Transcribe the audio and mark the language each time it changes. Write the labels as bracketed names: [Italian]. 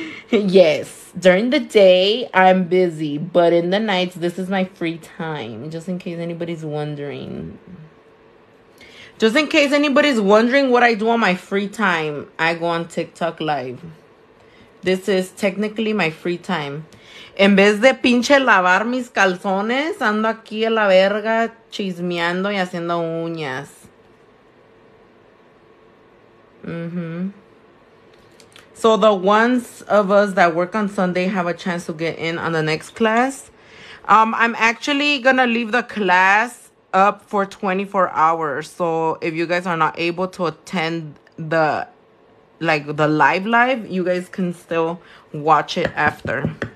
[English] Yes, during the day I'm busy, but in the nights this is my free time, just in case anybody's wondering. What I do on my free time, I go on TikTok live. This is technically my free time. [Spanish] En vez de pinche lavar mis calzones, ando aquí a la verga chismeando y haciendo uñas. [English] So the ones of us that work on Sunday have a chance to get in on the next class. I'm actually going to leave the class up for 24 hours. So if you guys are not able to attend the live, you guys can still watch it after.